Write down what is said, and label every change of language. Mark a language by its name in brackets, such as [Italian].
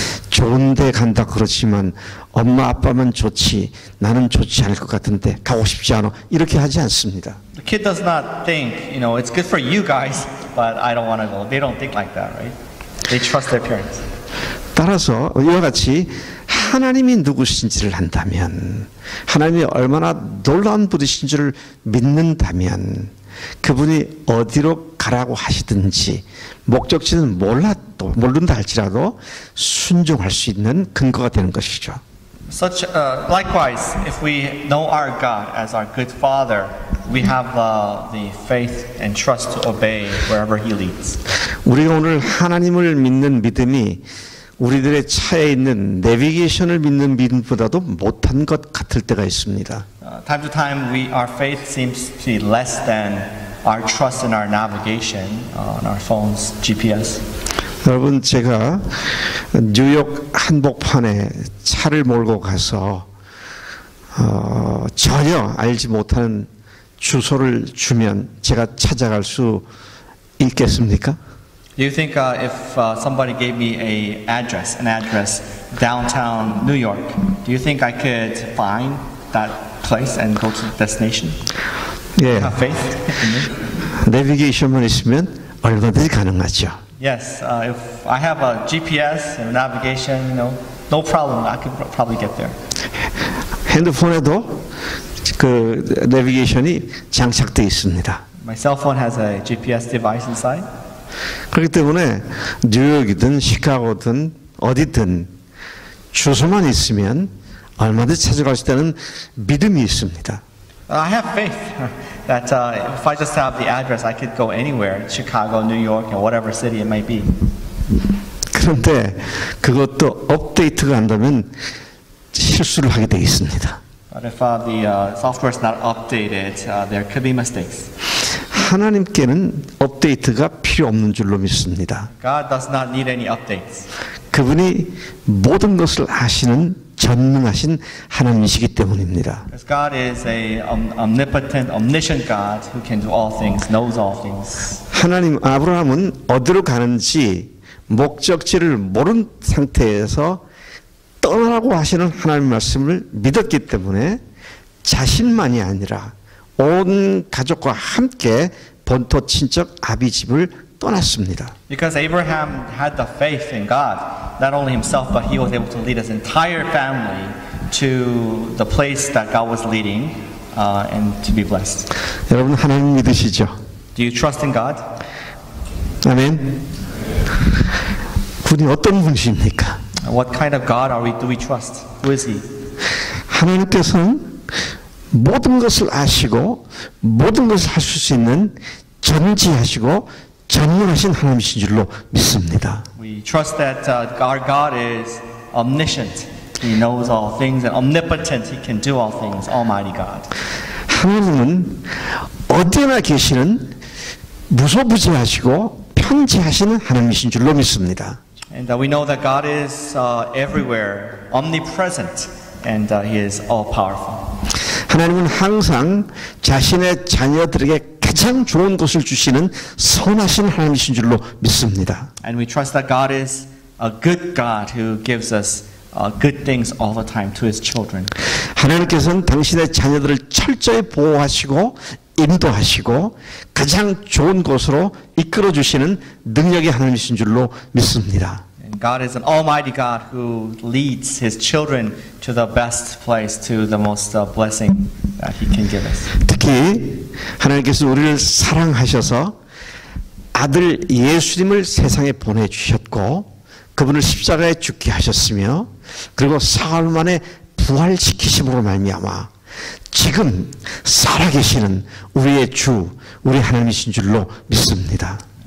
[Korean] 좋은 데 간다 그렇지만 엄마 아빠만 좋지 나는 좋지 않을 것 같은데 가고 싶지 않아 이렇게 하지 않습니다. [English] The kid does not think, you know, it's good for you guys, but I don't want to go. They don't think like that, right? They trust their parents. [Korean] 따라서 이와 같이 하나님이 누구신지를 안다면 하나님이 얼마나 놀라운 분이신지를 믿는다면 그분이 어디로 가라고 하시든지 목적지는 몰라도 모른다 할지라도 순종할 수 있는 근거가 되는 것이죠. [English] Such likewise, if we know our God as our good Father, we have the faith and trust to obey wherever He leads. [Korean] 우리가 오늘 하나님을 믿는 믿음이 우리들의 차에 있는 내비게이션을 믿는 믿음보다도 못한 것 같을 때가 있습니다. [English] Time to time, our faith seems to be less than our trust in our navigation on our phones, GPS. [Korean] 여러분, 제가 뉴욕 한복판에 차를 몰고 가서 전혀 알지 못하는 주소를 주면 제가 찾아갈 수 있겠습니까? [English] Do you think if somebody gave me an address downtown New York, do you think I could find that place and go to the destination? Yeah. Have faith in me? [Korean] Navigation만 있으면 얼마든지 가능하죠. [English] Yes, if I have a GPS and navigation, you know, no problem, I could probably get there. [Korean] 핸드폰에도 그 내비게이션이 장착되어 있습니다. [English] My cell phone has a GPS device inside. [Korean] 그렇기 때문에 뉴욕이든 시카고든 어디든 주소만 있으면 얼마든지 찾아갈 수 있다는 믿음이 있습니다. [English] I have faith that if I just have the address, I could go anywhere, Chicago, New York, or whatever city it might be. [Korean] 그런데 그것도 업데이트가 안 되면 실수를 하게 되어 있습니다. [English] But if the software is not updated, there could be mistakes. [Korean] 하나님께는 업데이트가 필요 없는 줄로 믿습니다. [English] God does not need any updates. [Korean] 그분이 모든 것을 아시는 전능하신 하나님이시기 때문입니다. [English] Because God is an omnipotent, omniscient God who can do all things, knows all things. [Korean] 하나님 아브라함은 어디로 가는지 목적지를 모른 상태에서 떠나라고 하시는 하나님 말씀을 믿었기 때문에 자신만이 아니라 온 가족과 함께 본토 친척 아비 집을 떠났습니다. [English] Because Abraham had the faith in God, not only himself, but he was able to lead his entire family to the place that God was leading, and to be blessed. [Korean] 여러분 하나님 믿으시죠? [English] Do you trust in God? [Korean] 아멘. 분이 어떤 분이십니까? [English] What kind of God do we trust? Who is He? [Korean] 하나님께서는 모든 것을 아시고 모든 것을 하실 수 있는 전지하시고 전능하신 하나님이신 줄로 믿습니다. [English] We trust that our God is omniscient. He knows all things and omnipotent. He can do all things. Almighty God. [Korean] 하나님은 어디나 계시는 무소부지하시고 편지하시는 하나님이신 줄로 믿습니다. [English] And we know that God is everywhere, omnipresent, and He is all powerful. [Korean] 하나님은 항상 자신의 자녀들에게 가장 좋은 것을 주시는 선하신 하나님이신 줄로 믿습니다. [English] And we trust that God is a good God who gives us good things all the time to His children. [Korean] 하나님께서는 당신의 자녀들을 철저히 보호하시고 인도하시고 가장 좋은 곳으로 이끌어 주시는 능력의 하나님이신 줄로 믿습니다. [English] God is an almighty God who leads His children to the best place, to the most blessing that He can give us. [Korean] 특히 하나님께서 우리를 사랑하셔서 아들 예수님을 세상에 보내주셨고 그분을 십자가에 죽게 하셨으며 그리고 사흘 만에 부활시키심으로 말미암아 지금 살아계시는 우리의 주, 우리 하나님이신 줄로 믿습니다.